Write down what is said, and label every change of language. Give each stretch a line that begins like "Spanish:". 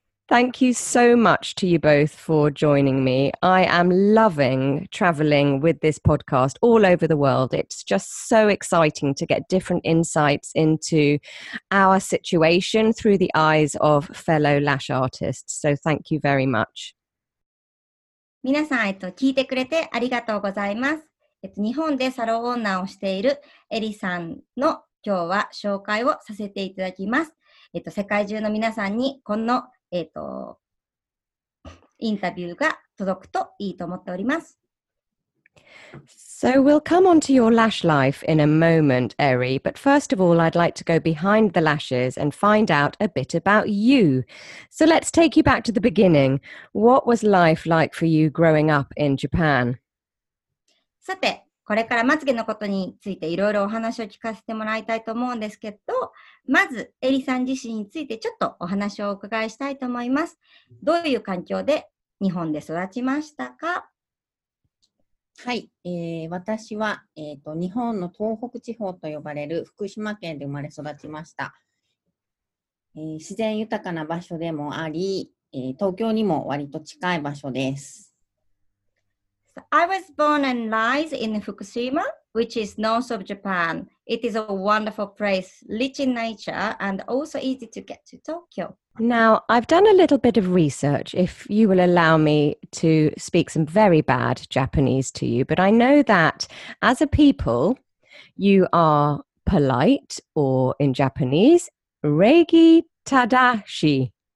English: Thank you so much to you both for joining me. I am loving traveling with this podcast all over the world. It's just so exciting to get different insights into our situation through the eyes of fellow lash artists. So thank you very much.
Japanese: 皆さん、聞いてくれてありがとうございます。日本でサロンオーナーをしているエリさんの今日は紹介をさせていただきます。世界中の皆さんにこのインタビューが届くといいと思っております。 So we'll come on to your lash life in a moment, Eri, but first of all, I'd like to go behind the lashes and find out a bit about you. So let's take you back to the beginning. What was life like for you growing up in Japan? さて、これからまつげのことについていろいろお話を聞かせてもらいたいと思うんですけど、まずエリさん自身についてちょっとお話をお伺いしたいと思います。どういう環境で日本で育ちましたか？はい、私は、日本の東北地方と呼ばれる福島県で生まれ育ちました。自然豊かな場所でもあり、東京にも割と近い場所です。
English: I was born and raised in Fukushima, which is north of Japan. It is a wonderful place, rich in nature, and also easy to get to Tokyo. Now, I've done a little bit of research, if you will allow me to speak some very bad Japanese to you, but I know that as a people, you are polite, or in Japanese,
Japanese: reigi tadashi.